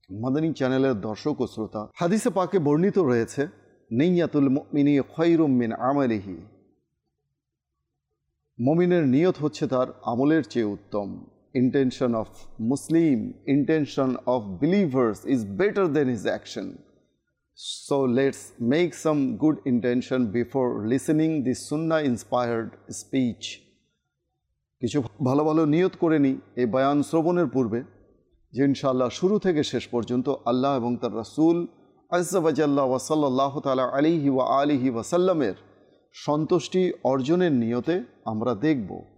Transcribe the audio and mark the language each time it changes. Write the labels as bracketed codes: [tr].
[bn] মদনী চ্যানেলের দর্শক ও শ্রোতা, হাদিসে পাকে বর্ণিত রয়েছে, [ar] নিয়াতুল মুমিনি খায়রুম মিন আমালিহি, [bn] মুমিনের নিয়ত হচ্ছে তার আমলের চেয়ে উত্তম। [en] Intention of Muslim, intention of believers is better than his action. So let's make some good intention before listening this sunnah inspired speech. [bn] কিছু ভালো ভালো নিয়ত করে নি এই বয়ান শ্রবণের পূর্বে, যে ইনশাআল্লাহ শুরু থেকে শেষ পর্যন্ত আল্লাহ এবং তার রাসূল আযযা ওয়া জাল্লা ওয়া সাল্লাল্লাহু তাআলা আলাইহি ওয়া আলিহি ওয়া সাল্লামের সন্তুষ্টি অর্জনের নিয়তে আমরা দেখব,